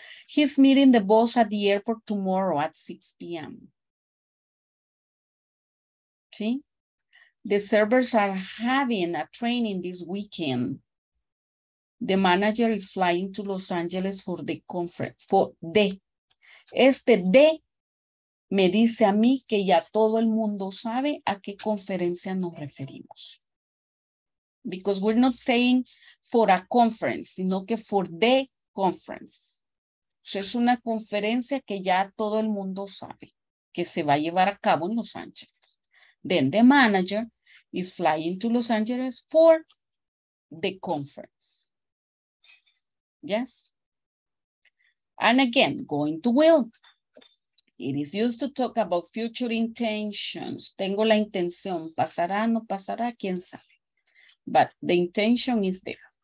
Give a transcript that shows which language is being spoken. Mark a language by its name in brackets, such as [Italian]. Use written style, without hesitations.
[English] He's meeting the boss at the airport tomorrow at 6 p.m. See? The servers are having a training this weekend. The manager is flying to Los Angeles for the conference, for the. [Spanish] Este de me dice a mí que ya todo el mundo sabe a qué conferencia nos referimos. [English] Because we're not saying for a conference, [Spanish] sino que [English] for the conference. [Spanish] O sea, es una conferencia que ya todo el mundo sabe que se va a llevar a cabo en Los Ángeles. [English] Then the manager is flying to Los Angeles for the conference. Yes? And again, going to will. It is used to talk about future intentions. [Spanish] Tengo la intención. Pasará, no pasará, quién sabe. [English] But the intention is there.